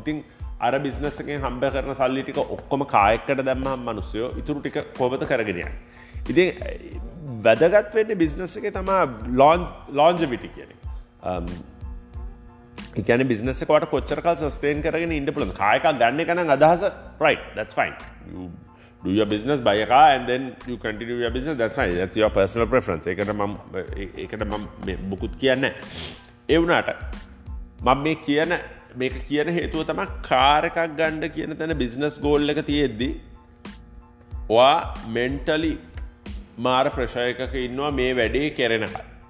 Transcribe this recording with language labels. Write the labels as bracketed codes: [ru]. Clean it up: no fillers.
[si] ඉතින් අර බිස්නස් එකෙන් හම්බ කරන සල්ලි ටික ඔක්කොම කායකට දැම්මම මිනිස්සුයෝ ඉතුරු ටික කොහොමද කරගෙන යන්නේ. ඉතින් වැදගත් වෙන්නේ බිස්නස් එකේ තමයි longevity කියන්නේ. ඒ කියන්නේ බිස්නස් එක වට කොච්චර කාල සස්ටේන් කරගෙන ඉන්න පුළුවන්ද? කායකක් ගන්න එක නම් අදහස [en] right, that's fine. You do your business, buy a car and then you continue your business, that's fine. That's your personal preference. [si] ඒකට මම මේ බුකුත් කියන්නේ. ඒ වුණාට මම මේක කියන හේතුව තමයි කාර් එකක් ගන්න කියන තැන බිස්නස් ගෝල් එක තියෙද්දි ඔයා mentally මාර ප්‍රෙෂර් එකක ඉන්නවා මේ වැඩේ කරනකම්.